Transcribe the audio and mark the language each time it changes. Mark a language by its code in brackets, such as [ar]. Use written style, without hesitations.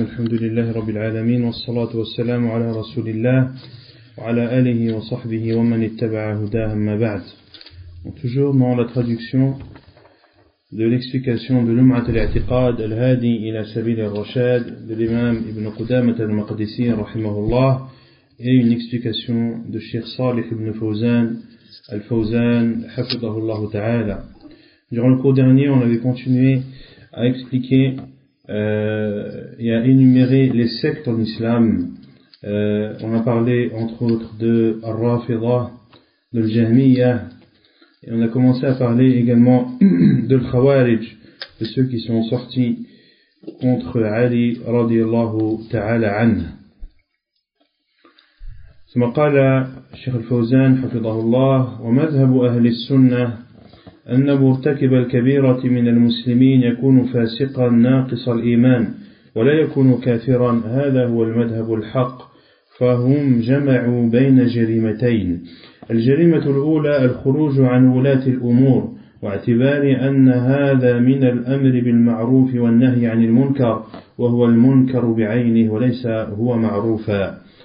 [ar] الحمد لله رب العالمين، والصلاة والسلام على رسول الله وعلى آله وصحبه ومن اتبع هداه، أما بعد. [fr] Toujours dans la traduction de l'explication de لمعة الاعتقاد الهادي إلى سبيل الرشاد de l'imam Ibn Qudamة المقدسي رحمه الله، et une explication de Sheikh Salih Ibn Fawzan الفوزان حفظه الله تعالى. Durant le cours dernier, on avait continué à expliquer et à énumérer les sectes en islam. On a parlé entre autres de Al-Rafida, de Al-Jahmiya, et on a commencé à parler également de Al-Khawarij, de ceux qui sont sortis contre Ali radiallahu ta'ala anha. [ar] ثم قال الشيخ الفوزان حفظه الله ومذهب أهل السنة أن مرتكب الكبيرة من المسلمين يكون فاسقا ناقص الإيمان ولا يكون كافرا، هذا هو المذهب الحق. فهم جمعوا بين جريمتين: الجريمة الأولى الخروج عن ولاة الأمور واعتبار أن هذا من الأمر بالمعروف والنهي عن المنكر، وهو المنكر بعينه وليس هو معروفا.